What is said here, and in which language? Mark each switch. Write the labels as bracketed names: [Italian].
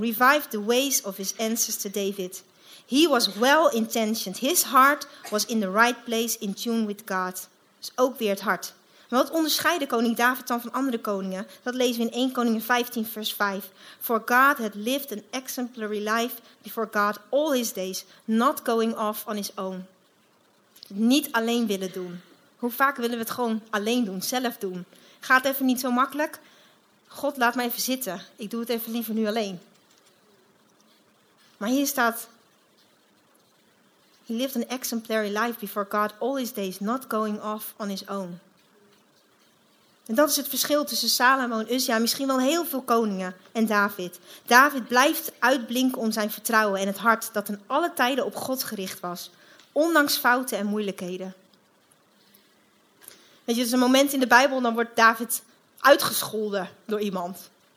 [English] Revived the ways of his ancestor David. He was well intentioned. His heart was in the right place, in tune with God. [Dutch] Dus ook weer het hart. Maar wat onderscheidde koning David dan van andere koningen? Dat lezen we in 1 Koningen 15, vers 5. [English] For God had lived an exemplary life before God all his days, not going off on his own. [Dutch] Niet alleen willen doen. Hoe vaak willen we het gewoon alleen doen, zelf doen? Gaat even niet zo makkelijk. God, laat mij even zitten. Ik doe het even liever nu alleen. Maar hier staat, [English] he lived an exemplary life before God all his days, not going off on his own. [Dutch] En dat is het verschil tussen Salomo en Uzzia, misschien wel heel veel koningen en David. David blijft uitblinken om zijn vertrouwen en het hart dat in alle tijden op God gericht was, ondanks fouten en moeilijkheden. Weet je, er is een moment in de Bijbel, dan wordt David uitgescholden door iemand.